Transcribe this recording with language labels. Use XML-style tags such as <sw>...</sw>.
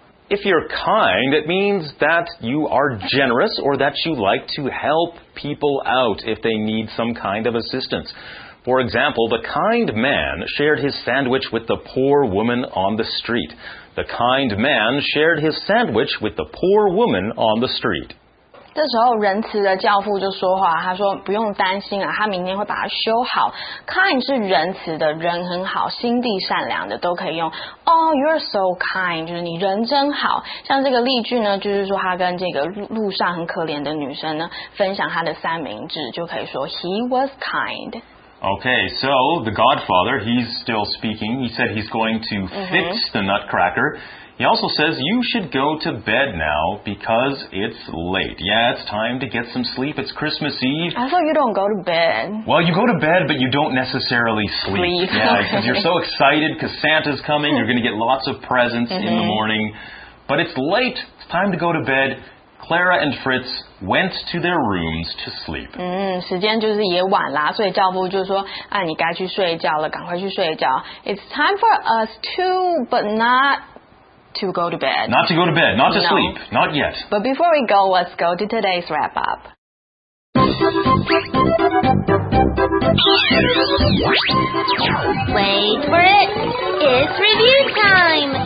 <en>If you're kind, it means that you are generous or that you like to help people out if they need some kind of assistance. For example, the kind man shared his sandwich with the poor woman on the street. The kind man shared his sandwich with the poor woman on the street.</en> <zh>这时候仁慈的教父就说话，他说不用担心啊，他明天会把它修好。 Kind 是仁慈的，人很好，心地善良的都可以用。</zh> <en>Oh, you're so kind,</en> <zh>就是你人真好。像这个例句呢，就是说他跟这个路上很可怜的女生呢，分享他的三明治，就可以说</zh> <en>he was kind. Okay, so the godfather, he's still speaking. He said he's going to fix the nutcracker. He also says, you should go to bed now because it's late. Yeah, it's time to get some sleep. It's Christmas Eve. I thought you don't go to bed. Well, you go to bed, but you don't necessarily sleep. Yeah, because you're so excited because Santa's coming. You're going to get lots of presents in the morning. But it's late. It's time to go to bed. Clara and Fritz went to their rooms to sleep.</en> <zh>时间就是也晚啦，所以教父就说，啊，你该去睡觉了，赶快去睡觉。</zh> <en>It's time for us to, but not to go to bed. Not to go to bed, not to sleep, not yet. But before we go, let's go to today's wrap up. Wait for it. It's review time.</en>